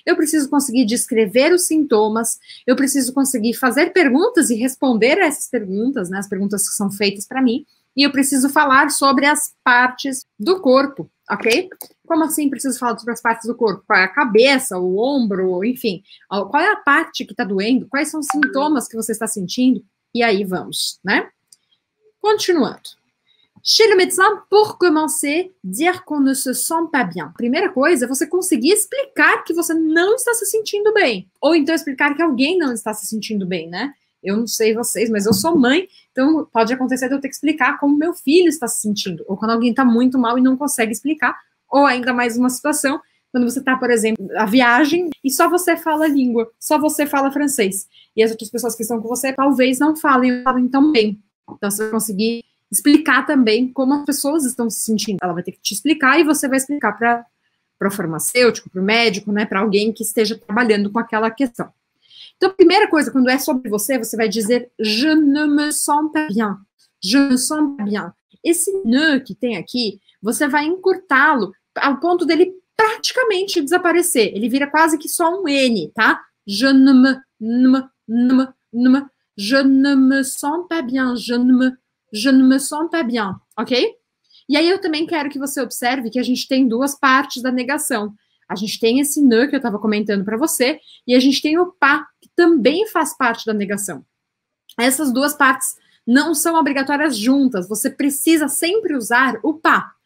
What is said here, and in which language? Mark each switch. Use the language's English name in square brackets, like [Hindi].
[Portuguese] Eu preciso conseguir descrever os sintomas, eu preciso conseguir fazer perguntas e responder a essas perguntas, né, as perguntas que são feitas para mim, e eu preciso falar sobre as partes do corpo, ok? Como assim preciso falar sobre as partes do corpo? Qual é a cabeça, o ombro, enfim. Qual é a parte que está doendo? Quais são os sintomas que você está sentindo? E aí vamos, né? Continuando. [French] Chez le médecin, pour commencer, dire qu'on ne se sent pas bien. [Portuguese] Primeira coisa, você conseguir explicar que você não está se sentindo bem. Ou então explicar que alguém não está se sentindo bem, né? Eu não sei vocês, mas eu sou mãe, então pode acontecer de eu ter que explicar como meu filho está se sentindo. Ou quando alguém está muito mal e não consegue explicar. Ou ainda mais uma situação, quando você está, por exemplo, na viagem e só você fala a língua, só você fala francês. E as outras pessoas que estão com você talvez não falem, falem tão bem. Então você vai conseguir explicar também como as pessoas estão se sentindo. Ela vai ter que te explicar e você vai explicar para o farmacêutico, para o médico, né, para alguém que esteja trabalhando com aquela questão. Então, a primeira coisa, quando é sobre você, você vai dizer [French] je ne me sens pas bien. Je ne sens pas bien. [Portuguese] Esse ne que tem aqui, você vai encurtá-lo ao ponto dele praticamente desaparecer. Ele vira quase que só um N, tá? [French] Je ne me, je ne me sens pas bien. Je ne me sens pas bien, ok? [Portuguese] E aí eu também quero que você observe que a gente tem duas partes da negação. A gente tem esse ne que eu estava comentando para você e a gente tem o pas, que também faz parte da negação. Essas duas partes não são obrigatórias juntas. Você precisa sempre usar o pas.